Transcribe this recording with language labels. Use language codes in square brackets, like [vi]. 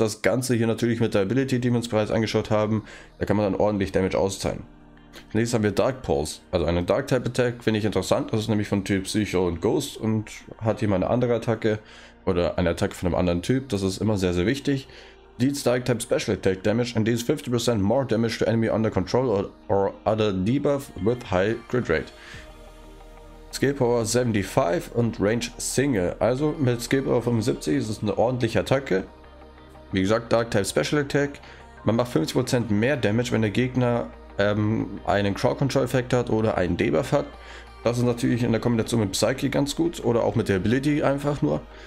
[de] Das Ganze hier natürlich mit der Ability, die wir uns bereits angeschaut haben. Da kann man dann ordentlich Damage auszahlen. Nächstes haben wir Dark Pulse, also eine Dark Type Attack, finde ich interessant. Das ist nämlich von Typ Psycho und Ghost und hat hier mal eine andere Attacke oder eine Attacke von einem anderen Typ. Das ist immer sehr, sehr wichtig. [en] Deals Dark Type Special Attack Damage and deals 50% more damage to enemy under control or other debuff with high crit rate. [de] Skill Power 75 und Range Single. Also mit Skill Power 75 ist es eine ordentliche Attacke. Wie gesagt, Dark Type Special Attack. Man macht 50% mehr Damage, wenn der Gegner einen Crowd Control Effekt hat oder einen Debuff hat. Das ist natürlich in der Kombination mit Psyche ganz gut oder auch mit der Ability einfach nur.